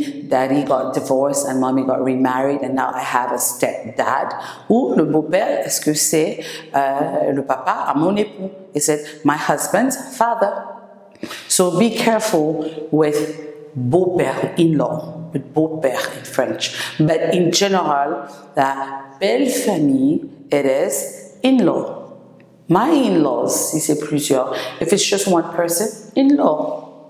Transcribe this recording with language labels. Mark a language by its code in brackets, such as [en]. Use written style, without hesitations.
[en] Daddy got divorced and mommy got remarried and now I have a stepdad. [fr] Ou le beau-père, est-ce que c'est le papa à mon époux? [en] Is it my husband's father? So be careful with beau-père, in-law, with beau-père in French. But in general, [fr] la belle famille, [en] it is in-law. My in-laws, [fr] si c'est plusieurs. [en] If it's just one person, in-law.